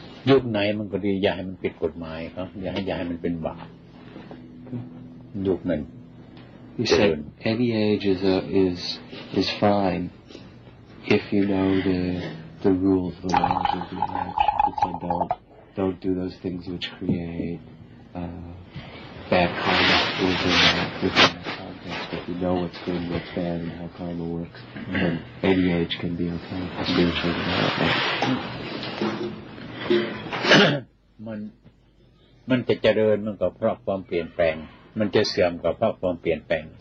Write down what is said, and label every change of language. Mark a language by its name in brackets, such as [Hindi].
[Thai] ยุคไหนมันก็ดีอย่าให้มันผิดกฎหมายครับอย่าให้มันเป็นบาปยุคนั้น [English] He said any age is fine if you know the rules the laws of the age He said don't do those things which create bad karma within that context but you know what's good what's bad and how karma works then any age can be okay spiritual development [Thai] มันจะเจริญมันก็เพราะความเปลี่ยนแปลงมันจะเสื่อมก็เพราะความเปลี่ยนแปลง